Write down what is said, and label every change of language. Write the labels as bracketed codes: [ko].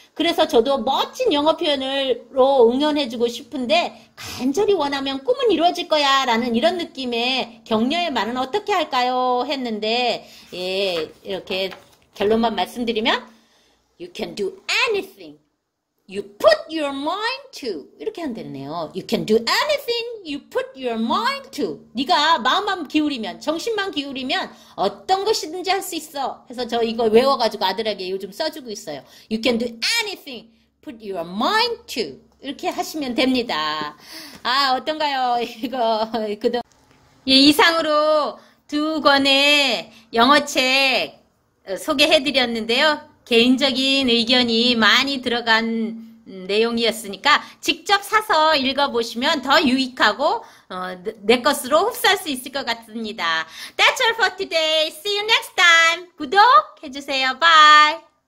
[ko] 그래서 저도 멋진 영어 표현으로 응원해주고 싶은데 간절히 원하면 꿈은 이루어질 거야라는 이런 느낌의 격려의 말은 어떻게 할까요? 했는데 예, 이렇게 결론만 말씀드리면 [en] You can do anything. You put your mind to. [ko] 이렇게 한다네요. [en] You can do anything you put your mind to. [ko] 네가 마음만 기울이면, 정신만 기울이면 어떤 것이든지 할수 있어. 해서 저 이거 외워가지고 아들에게 요즘 써주고 있어요. [en] You can do anything put your mind to. [ko] 이렇게 하시면 됩니다. 아, 어떤가요? 이거 그동안. 예, 이상으로 두 권의 영어책 소개해드렸는데요. 개인적인 의견이 많이 들어간 내용이었으니까 직접 사서 읽어보시면 더 유익하고 내 것으로 흡수할 수 있을 것 같습니다. [en] That's all for today. See you next time. [ko] 구독해주세요. Bye.